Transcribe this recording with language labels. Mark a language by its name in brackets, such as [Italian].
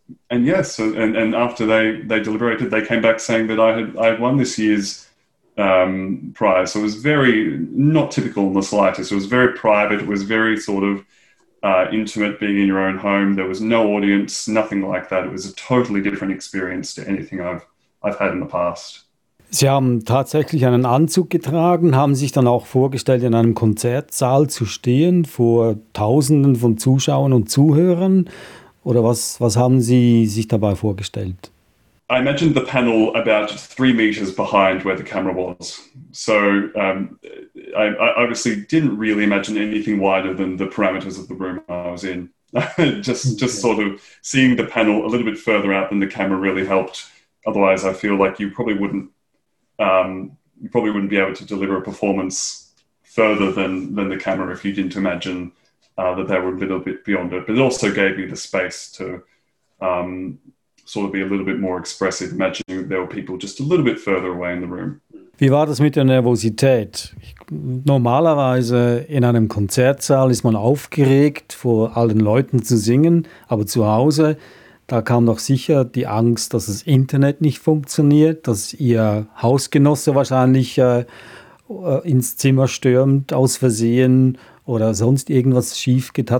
[English] And after they deliberated, they came back saying that I had won this year's prize. So it was very not typical in the slightest. It was very private. It was very sort of intimate, being in your own home. There was no audience, nothing like that. It was a totally different experience to anything I've had in the past. [German] Sie haben tatsächlich einen Anzug getragen, haben sich dann auch vorgestellt, in einem Konzertsaal zu stehen vor Tausenden von Zuschauern und Zuhörern. Oder was haben Sie sich dabei vorgestellt? [English] I imagined the panel about 3 meters behind where the camera was. So I obviously didn't really imagine anything wider than the parameters of the room I was in. just yeah. Sort of seeing the panel a little bit further out than the camera really helped. Otherwise, I feel like you probably wouldn't be able to deliver a performance further than the camera if you didn't imagine that they were a little bit beyond it. But it also gave me the space to sort of be a little bit more expressive, imagining that there were people just a little bit further away in the room. [German] Wie war das mit der Nervosität? Normalerweise in einem Konzertsaal ist man aufgeregt, vor allen Leuten zu singen, aber zu Hause, da kam doch sicher die Angst, dass das Internet nicht funktioniert, dass ihr Hausgenosse wahrscheinlich ins Zimmer stürmt aus Versehen oder sonst irgendwas schief geht.